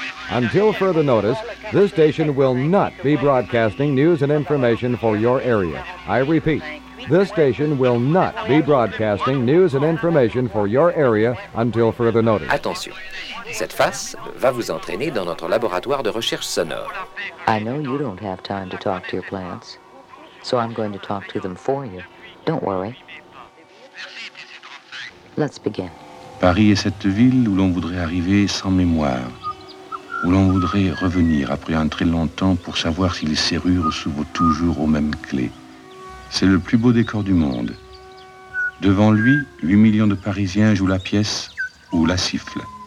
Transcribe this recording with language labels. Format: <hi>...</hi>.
<en>Until further notice, this station will not be broadcasting news and information for your area. I repeat, this station will not be broadcasting news and information for your area until further notice.</en> <fr>Attention, cette face va vous entraîner dans notre laboratoire de recherche sonore.</fr> <en>I know you don't have time to talk to your plants, so I'm going to talk to them for you. Don't worry. Let's begin.</en> <fr>Paris est cette ville où l'on voudrait arriver sans mémoire, où l'on voudrait revenir après un très long temps pour savoir si les serrures s'ouvrent toujours aux mêmes clés. C'est le plus beau décor du monde. Devant lui, 8 millions de Parisiens jouent la pièce ou la sifflent.</fr>